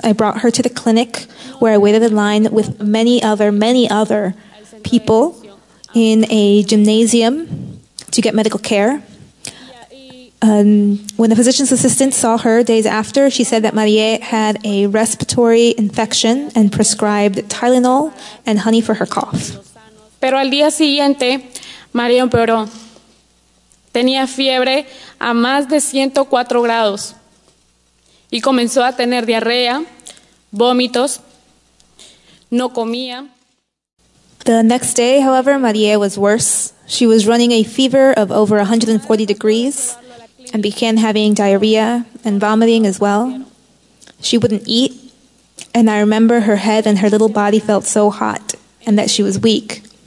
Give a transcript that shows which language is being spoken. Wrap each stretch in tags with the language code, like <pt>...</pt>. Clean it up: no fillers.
<en>I brought her to the clinic where I waited in line with many other people in a gymnasium to get medical care. When the physician's assistant saw her days after, she said that Marie had a respiratory infection and prescribed Tylenol and honey for her cough.</en> <es>Pero al día siguiente, María empeoró. Tenía fiebre a más de 104 grados y comenzó a tener diarrea, vómitos, no comía.</es> <en>The next day, however, María was worse. She was running a fever of over 140 degrees and began having diarrhea and vomiting as well. She wouldn't eat, and I remember her head and her little body felt so hot and that she was weak.</en>